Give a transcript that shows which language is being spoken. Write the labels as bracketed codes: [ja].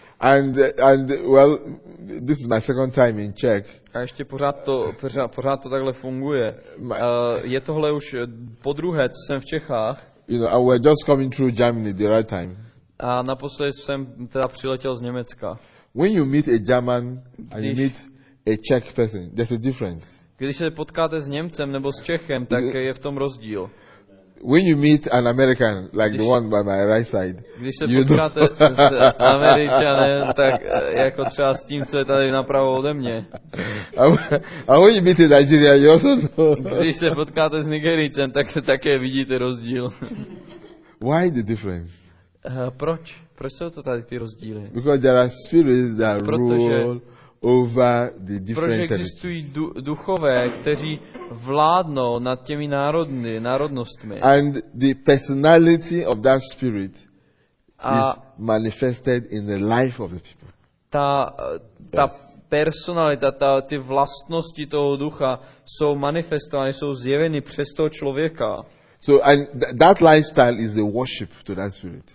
[en] And well, this is my second time in Czech. [cs] A ještě pořád to takhle funguje. Je tohle už podruhé, co jsem v Čechách. [en] You know, I was just coming through Germany the right time. [cs] A naposledy jsem teda přiletěl z Německa. [en] When you meet a German and you meet a Czech person, there's a difference. [cs] Když se potkáte s Němcem nebo s Čechem, tak je v tom rozdíl. [en] When you meet an American, like the one by my right side. [cs] Když se potkáte s Američanem, tak jako třeba s tím, co je tady napravo ode mě. [en] And when you meet a Nigerian, you also know. [cs] Když se potkáte s Nigericem, tak se také vidíte rozdíl. [en] Why the difference? [cs] Proč? Proč jsou to tady ty rozdíly? [en] Because there are spirits that rule over the different territories. [cs] Protože existují duchové, kteří vládnou nad těmi národnostmi. [en] And the personality of that spirit is manifested in the life of the people. [cs] Ta personalita, ty vlastnosti toho ducha jsou manifestovány, jsou zjeveny přes toho člověka. [en] So and that lifestyle is a worship to that spirit.